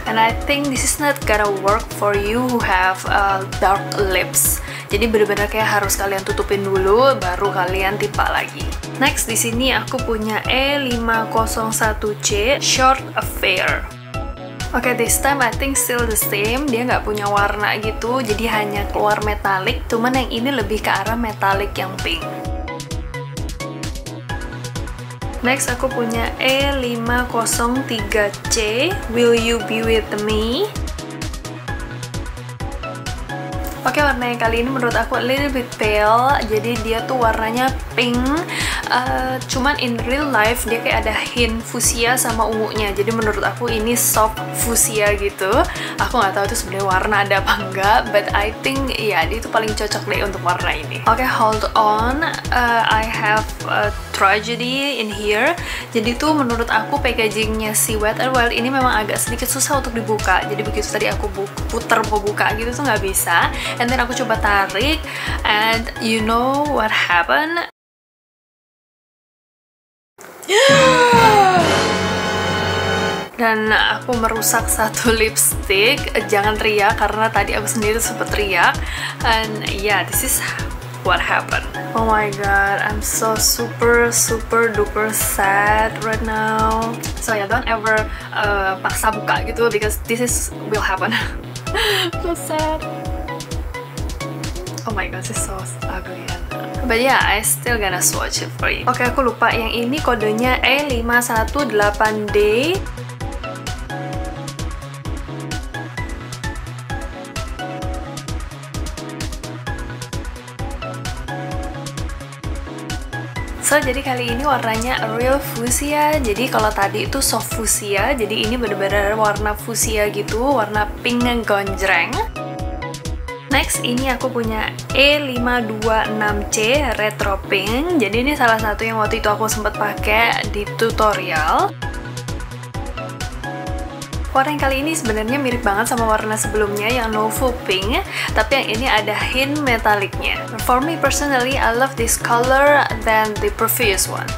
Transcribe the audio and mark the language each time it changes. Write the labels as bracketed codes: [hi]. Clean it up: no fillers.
[en] And I think this is not gonna work for you who have dark lips. [id] Jadi benar-benar kayak harus kalian tutupin dulu baru kalian tipa lagi. Next di sini aku punya E501C Short Affair. [en] Okay, this time I think still the same. [id] Dia nggak punya warna gitu, jadi hanya keluar metallic. Cuman yang ini lebih ke arah metallic yang pink. Next aku punya E503C Will You Be With Me. Okay, warna yang kali ini menurut aku [en] a little bit pale. [id] Jadi dia tuh warnanya pink. Cuman [en] in real life [id] dia kayak ada hint fuchsia sama ungunya. Jadi menurut aku ini soft fuchsia gitu. Aku gak tahu itu sebenarnya warna ada apa enggak, [en] but I think yeah, [id] dia itu paling cocok deh untuk warna ini. [en] Okay, hold on, I have a tragedy in here. [id] Jadi tuh menurut aku packagingnya si Wet n Wild ini memang agak sedikit susah untuk dibuka. Jadi begitu tadi aku puter mau buka gitu tuh gak bisa. [en] And then [id] aku coba tarik [en] and you know what happened. [id] Dan aku merusak satu lipstick. Jangan teriak karena tadi aku sendiri sempat teriak. [en] And yeah, this is what happened. Oh my god, I'm so super super duper sad right now. So yeah, don't ever [id] paksa buka gitu [en] because this is will happen. So sad. Oh my god, this is so ugly. But yeah, I still gonna swatch it for you. [id] Okay, aku lupa yang ini kodenya E518D. So, jadi kali ini warnanya real fuchsia. Jadi kalau tadi itu soft fuchsia, jadi ini benar-benar warna fuchsia gitu, warna pink yang gonjreng. Next, ini aku punya E526C Retro Pink. Jadi ini salah satu yang waktu itu aku sempat pakai di tutorial. Warna yang kali ini sebenarnya mirip banget sama warna sebelumnya yang Nouveau Pink, tapi yang ini ada hint metaliknya. [en] For me personally, I love this color than the previous one.